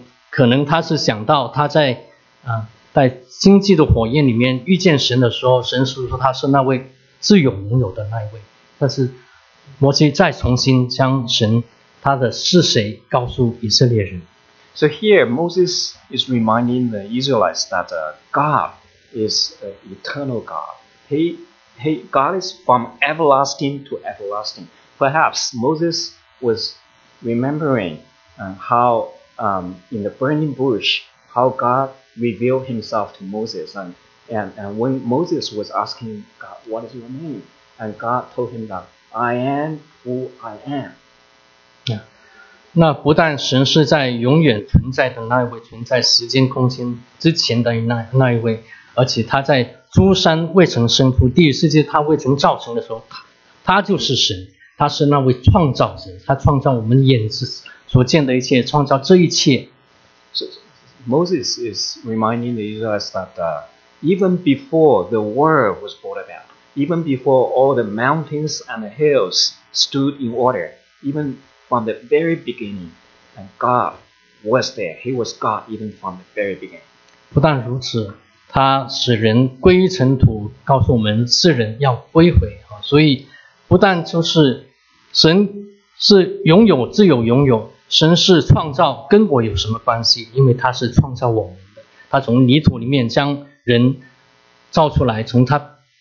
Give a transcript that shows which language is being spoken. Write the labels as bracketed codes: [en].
[zh] 可能他是想到他在荆棘的火焰里面遇见神的时候，神是说他是那位自永能有的那一位。但是摩西再重新将神他的是谁告诉以色列人。 [en] So here, Moses is reminding the Israelites that God is an eternal God. God is from everlasting to everlasting. Perhaps Moses was remembering how in the burning bush, how God revealed himself to Moses. And when Moses was asking God, what is your name? And God told him that, I am who I am. Yeah. [zh] 那不但神是在永远存在的那一位，存在时间空间之前的那一位，而且他在诸山未曾生出，地狱世界他未曾造成的时候，他就是神，他是那位创造者，他创造我们眼所见的一切，创造这一切。 [en] Moses is reminding the Israelites that even before the world was brought about, even before all the mountains and the hills stood in order, evenFrom the very beginning, and God was there. He was God even from the very beginning. [zh] 不但如此，他使人归于尘土，告诉我们世人要归回。所以不但就是神是拥有，自有拥有，神是创造，跟我有什么关系？因为他是创造我们的，他从泥土里面将人造出来，从他